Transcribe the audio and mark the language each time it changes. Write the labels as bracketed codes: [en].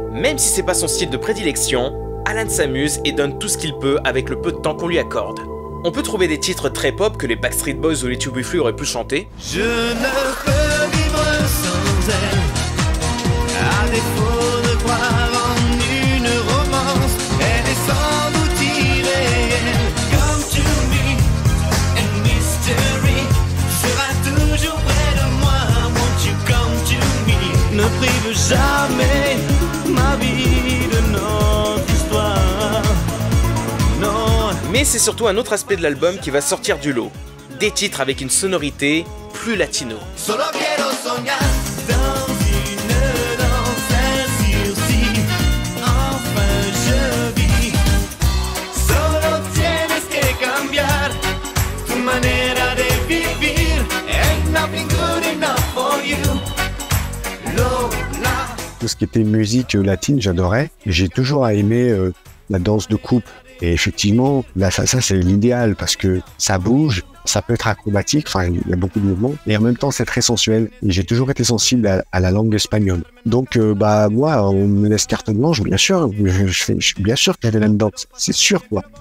[fr] Même si c'est pas son style de prédilection, Alan s'amuse et donne tout ce qu'il peut avec le peu de temps qu'on lui accorde. On peut trouver des titres très pop que les Backstreet Boys ou les Tube Buffalo auraient pu chanter. Je ne peux vivre sans elle, à défaut de croire en une romance, elle est sans doute irréelle. [en] Come to me, and mystery, [fr] sera toujours près de moi, [en] won't you come to me. [fr] Ne prive jamais ma vie. Mais c'est surtout un autre aspect de l'album qui va sortir du lot. Des titres avec une sonorité plus latino. [es] Solo quiero soñar [fr] dans une danse sursis. Enfin je vis. [es] Solo tienes que cambiar tu manera de vivir. [en] Ain't nothing good enough for you. [fr] Lola. Tout ce qui était musique latine, j'adorais. J'ai toujours aimé la danse de coupe. Et effectivement, là, ça c'est l'idéal parce que ça bouge, ça peut être acrobatique, enfin il y a beaucoup de mouvements, et en même temps c'est très sensuel. Et j'ai toujours été sensible à la langue espagnole. Donc moi, on me laisse carte blanche, bien sûr, je bien sûr qu'il y a des lames dans, c'est sûr quoi.